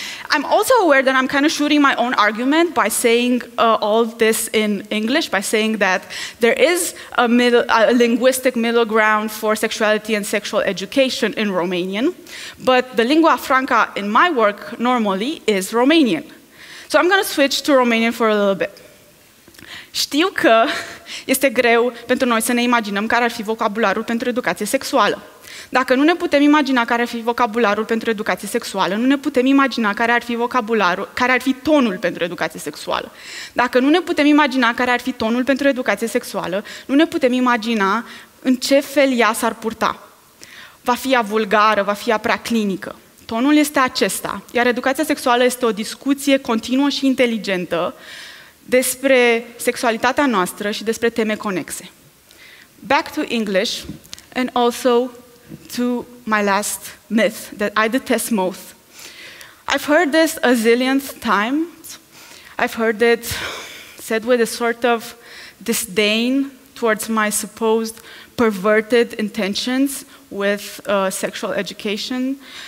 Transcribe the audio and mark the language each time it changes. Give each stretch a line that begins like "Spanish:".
English: I'm also aware that I'm kind of shooting my own argument by saying all of this in English, by saying that there is a linguistic middle ground for sexuality and sexual education in Romanian, but the lingua franca in my work normally is Romanian. So I'm going to switch to Romanian for a little bit.
Romanian: Știu că este greu pentru noi să ne imaginăm care ar fi vocabularul pentru educație sexuală. Dacă nu ne putem imagina care ar fi vocabularul pentru educație sexuală, nu ne putem imagina care ar fi vocabularul, care ar fi tonul pentru educație sexuală. Dacă nu ne putem imagina care ar fi tonul pentru educație sexuală, nu ne putem imagina în ce fel ea s-ar purta. Va fi ea vulgară, va fi ea prea clinică. Tonul este acesta, iar educația sexuală este o discuție continuă și inteligentă despre sexualitatea noastră și despre teme conexe.
English: Back to English and also to my last myth that I detest most. I've heard this a zillionth times. I've heard it said with a sort of disdain towards my supposed perverted intentions with sexual education.